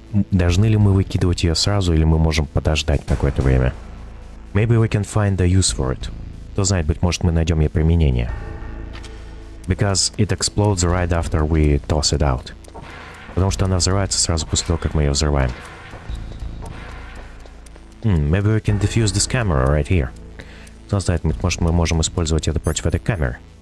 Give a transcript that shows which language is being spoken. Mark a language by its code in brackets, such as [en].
[ru] Должны ли мы выкидывать ее сразу или мы можем подождать какое-то время? [en] Maybe we can find a use for it. [ru] Кто знает, быть может мы найдем ей применение. [en] Because it explodes right after we toss it out. [ru] Потому что она взрывается сразу после того, как мы ее взрываем. [en] Maybe we can defuse this camera right here. [ru] Кто знает, может мы можем использовать это против этой камеры.